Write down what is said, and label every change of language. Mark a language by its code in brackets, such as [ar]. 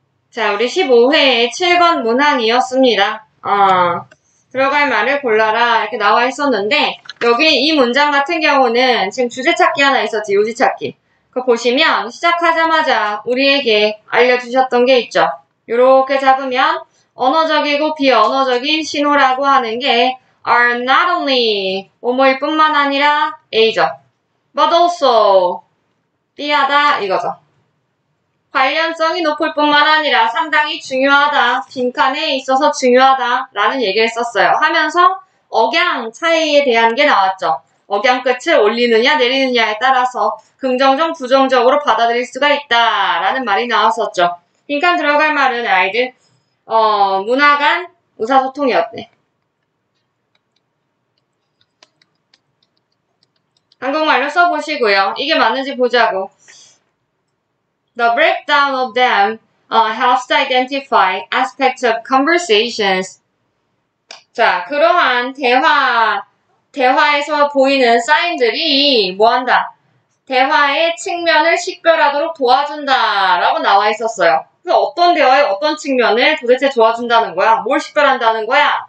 [ko] 자, 우리 15회의 7번 문항이었습니다. 들어갈 말을 골라라 이렇게 나와 있었는데 여기 이 문장 같은 경우는 지금 주제 찾기 하나 있었지, 요지 찾기. 그거 보시면 시작하자마자 우리에게 알려주셨던 게 있죠. 요렇게 잡으면 언어적이고 비언어적인 신호라고 하는 게 [en] are not only [ko] 뭐뭐일 뿐만 아니라 A죠. [en] but also [ko] B하다 이거죠. 관련성이 높을 뿐만 아니라 상당히 중요하다, 빈칸에 있어서 중요하다라는 얘기를 했었어요. 하면서 억양 차이에 대한 게 나왔죠. 억양 끝을 올리느냐 내리느냐에 따라서 긍정적, 부정적으로 받아들일 수가 있다라는 말이 나왔었죠. 빈칸 들어갈 말은 아이들 문화 간 의사소통이었네. 한국말로 써보시고요. 이게 맞는지 보자고. [en] The breakdown of them helps to identify aspects of conversations. [ko] 자, 그러한 대화에서 보이는 사인들이 뭐한다? 대화의 측면을 식별하도록 도와준다라고 나와 있었어요. 그래서 어떤 대화의 어떤 측면을 도대체 도와준다는 거야? 뭘 식별한다는 거야?